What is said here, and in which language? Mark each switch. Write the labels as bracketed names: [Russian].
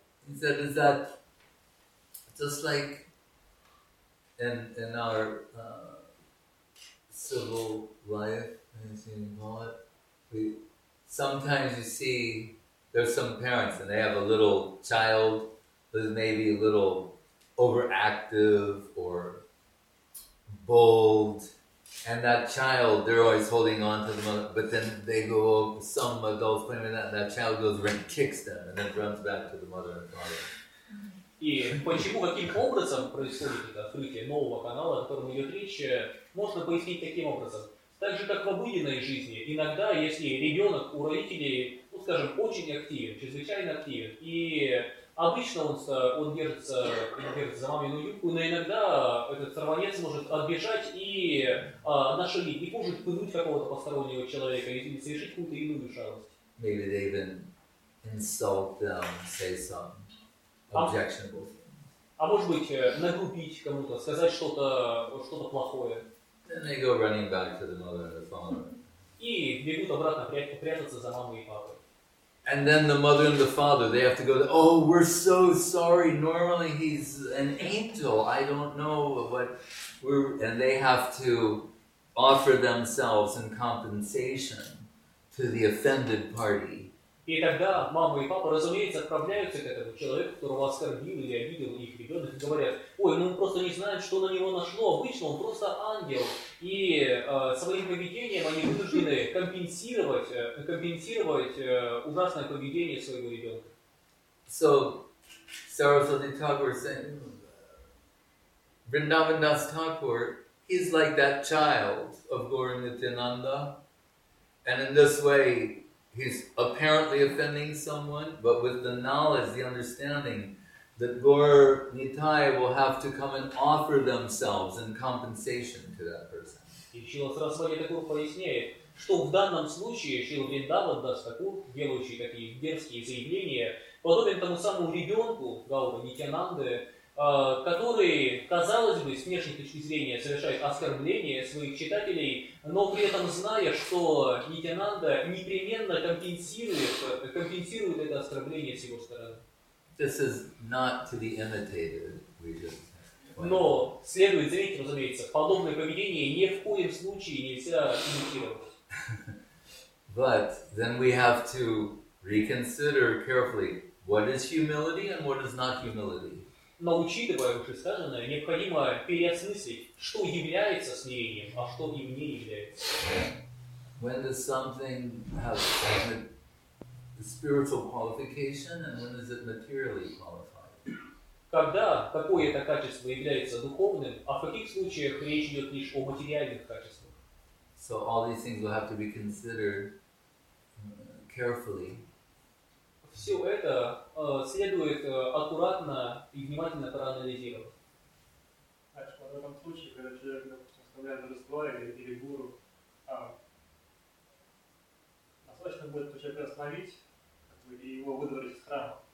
[English] He said, is that just like in our civil life, as you call it, we sometimes you see there's some parents and they have a little child who's maybe a little overactive or bold, and that child, they're always holding on to the mother, but then they go, some adults play with that, and that child goes and kicks them, and then runs back to the mother and father. [Russian] И почему, каким образом происходит это открытие нового канала, о котором идет речь, можно пояснить таким образом. Так же, как в обыденной жизни, иногда, если ребенок у родителей, ну, скажем, очень активен, чрезвычайно активен, и обычно он держится, например, за мамину юбку, но иногда этот сорванец может отбежать и нашумить, и может пнуть какого-то постороннего человека и совершить какую-то иную шалость. [English] Maybe they even insult them, say some objectionable things. [Russian] А может быть, нагрубить кому-то, сказать что-то плохое. [English] Then they go running back to the mother and the father. [Russian] И бегут обратно прятаться за мамой и папой. [English] And then the mother and the father, they have to go, oh, we're so sorry, normally he's an angel, I don't know what we're... And they have to offer themselves in compensation to the offended party. [Russian] И тогда мама и папа, разумеется, отправляются к этому человеку, которого оскорбил или обидел их ребенок, и говорят, ой, ну он просто не знает, что на него нашло, обычно он просто ангел. И своим поведением они вынуждены компенсировать ужасное поведение своего ребенка. [English] So, Saraswati Thakur is saying, Vrindavan Das Thakur he's like that child of Guru Nityananda. And in this way, he's apparently offending someone, but with the knowledge, the understanding that Gaur Nitai will have to come and offer themselves in compensation to that person. [Russian] И Шрила Сарасвати Такур поясняет, что в данном случае Шрила Вриндаван Дас Такур, делающий такие дерзкие заявления, подобен тому самому ребенку Гаура Нитянанды, который, казалось бы, с внешней точки зрения совершает оскорбление своих читателей, но при этом зная, что Нитянанда непременно компенсирует это оскорбление с его стороны. [English] This is not to be imitated, we just... [Russian] Но следует заметить, разумеется, подобное поведение ни в коем случае нельзя имитировать. [English] But then we have to reconsider carefully what is humility and what is not humility. [Russian] Но учитывая вышесказанное, необходимо переосмыслить, что является смирением, а что им не является. [English] When does something have the spiritual qualification and when is it materially qualified? [Russian] Когда какое-то качество является духовным, а в каких случаях речь идет лишь о материальных качествах? [English] So all these things will have to be considered carefully. [Russian] Все это следует аккуратно и внимательно проанализировать. Значит, в этом случае, когда человек составляет божество или гуру, достаточно будет человека остановить как бы, и его выдворить из храма.